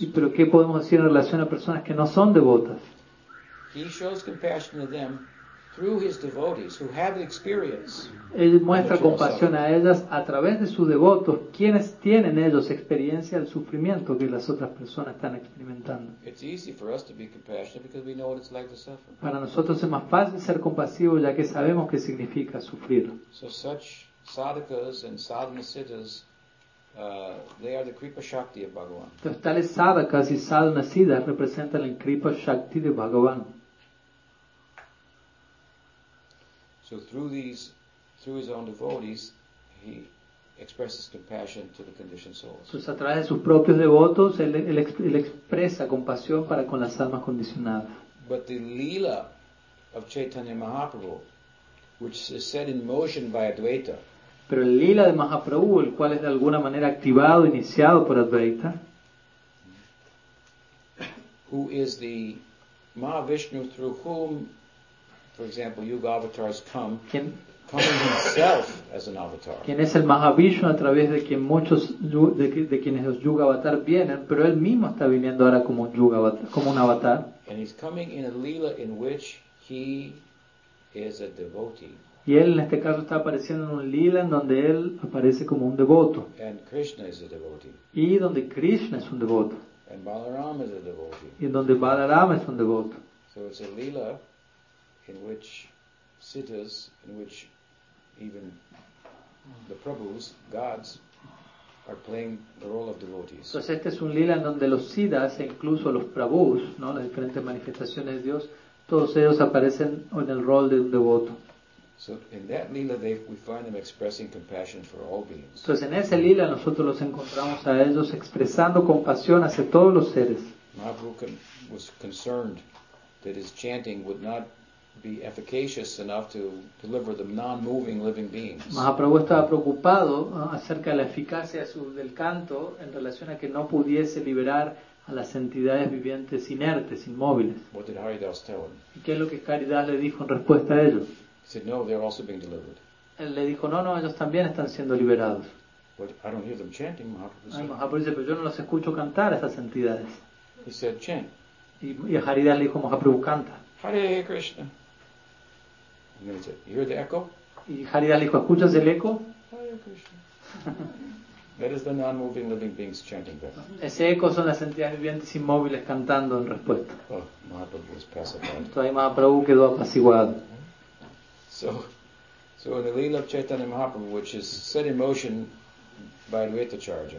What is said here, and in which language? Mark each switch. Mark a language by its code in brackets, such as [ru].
[es] ¿Y pero qué podemos decir en relación a personas que no son devotas? [en] He shows compassion to them through his devotees who have experience. [es] Él muestra compasión a ellas a través de sus devotos, quienes tienen ellos experiencia del sufrimiento que las otras personas están experimentando. [en] It's easy for us to be compassionate because we know what it's like to suffer. [es] Para nosotros es más fácil ser compasivos ya que sabemos qué significa sufrir. [en] So such sadhakas and sadhanasiddhas, they are the kripa shakti of Bhagavan. [es] Entonces, tales sadhakas y sadhanasiddhas representan el kripa shakti de Bhagavan. [en] So through his own devotees, he expresses compassion to the conditioned souls. [es] Pues a través de sus propios devotos, él expresa compasión para con las almas condicionadas. [en] But the lila of Chaitanya Mahaprabhu, which is set in motion by Advaita, [es] pero el lila de Mahaprabhu, el cual es de alguna manera activado, iniciado por Advaita, [en] who is the Mahavishnu through whom, for example, yuga avatars come, coming himself as an avatar. [es] ¿Quién es el Mahavishnu a través de quien muchos de quienes los yuga avatar vienen, pero él mismo está viniendo ahora como un avatar? [en] And he's coming in a lila in which he is a devotee. [es] Y él en este caso está apareciendo en un lila en donde él aparece como un devoto. [en] And Krishna is a devotee. [es] Y donde Krishna es un devoto. [en] And Balaram is a devotee. [es] Y donde Balaram es un devoto. [en] So it's a lila in which sitas, in which even the prabhus, gods, are playing the role of devotees. [es] Entonces este es un lila en donde los siddhas e incluso los prabhus, ¿no? Las diferentes manifestaciones de Dios, todos ellos aparecen en el rol de un devoto. [en] So in that lila we find them expressing compassion for all beings. [es] Entonces en ese lila nosotros los encontramos a ellos expresando compasión hacia todos los seres. [en] Mahaprabhu was concerned that his chanting would not be efficacious enough to deliver the non-moving living beings. [es] Mahaprabhu estaba preocupado acerca de la eficacia del canto en relación a que no pudiese liberar a las entidades vivientes inertes, inmóviles. [en] What did Haridas tell him? [es] ¿Y qué es lo que Haridas le dijo en respuesta a ello? [en] He said, no, they're also being delivered. [es] Él le dijo, no, ellos también están siendo liberados. [en] But I don't hear them chanting, Mahaprabhu said. [es] Mahaprabhu dice, pero yo no los escucho cantar a esas entidades. [en] He said, chant. [es] Y Haridas le dijo, Mahaprabhu, canta. Hare Krishna. [en] And then he said, you hear the echo? [es] Y Haridas le dijo, ¿escuchas el eco? Hare Krishna. [en] That is the non-moving living beings chanting back. [es] Ese eco son las entidades vivientes inmóviles cantando en respuesta. [en] Oh, Mahaprabhu was pacified. [es] Entonces Mahaprabhu quedó apaciguado. [en] So in the lila of Chaitanya Mahaprabhu, which is set in motion by Advaita Charya.